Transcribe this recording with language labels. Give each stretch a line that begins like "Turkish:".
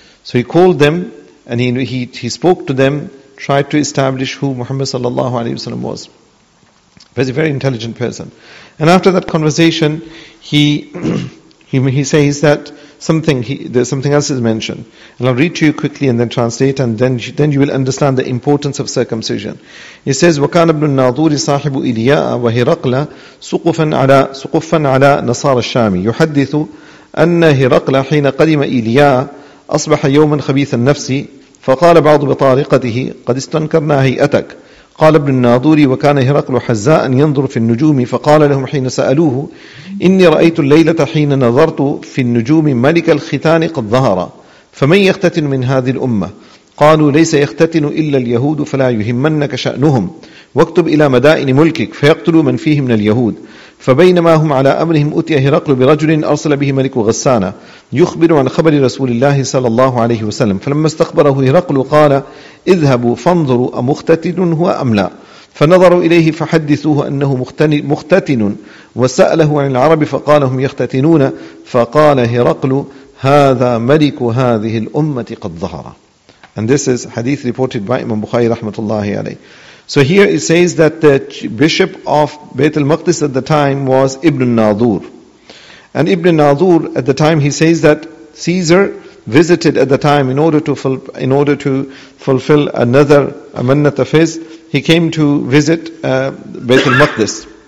English: So he called them and he spoke to them, tried to establish who Muhammad sallallahu alaihi wasallam was. He was a very intelligent person. And after that conversation, he says that something else is mentioned. And I'll read to you quickly and then translate, and then you will understand the importance of circumcision. He says,
Arabic: وَكَانَ ابْنُ النَّاظُورِ صَاحِبُ إِلْيَاءَ وَهِرَقْلَ سُقُفًا عَلَى نَصَارَ الشَّامِ يُحَدِّثُ أَنَّ هِرَقْلَ حِينَ قَدِمَ إِلْيَاءَ أَصْبَحَ يَوْمًا خَبِيثَ النَّفْسِ فَقَالَ بَعْضُ بِطَارِقَتِهِ قَدِ اسْتَنْكَرْنَا هَيْئَتَكَ قال ابن الناظوري وكان هرقل حزاء ينظر في النجوم فقال لهم حين سألوه إني رأيت الليلة حين نظرت في النجوم ملك الختان قد ظهر فمن يختتن من هذه الأمة قالوا ليس يختتن إلا اليهود فلا يهمنك شأنهم واكتب إلى مدائن ملكك فيقتلوا من فيه من اليهود فبينما هم على أمرهم أتي هرقل برجل أرسل به ملك غسان يخبر عن خبر رسول الله صلى الله عليه وسلم فلما استخبره هرقل قال اذهبوا فانظروا أمختتن هو أم لا فنظروا إليه فحدثوه أنه مختتن وسأله عن العرب فقال هم يختتنون فقال هرقل هذا ملك هذه الأمة قد ظهر.
English: And this is hadith reported by Imam Bukhari rahmatullahi alayhi. So here it says that the bishop of Bayt al-Maqdis at the time was Ibn al-Nadhur. And Ibn al-Nadhur at the time, he says that Caesar visited at the time in order to fulfill another amanat of his, he came to visit Bayt al-Maqdis.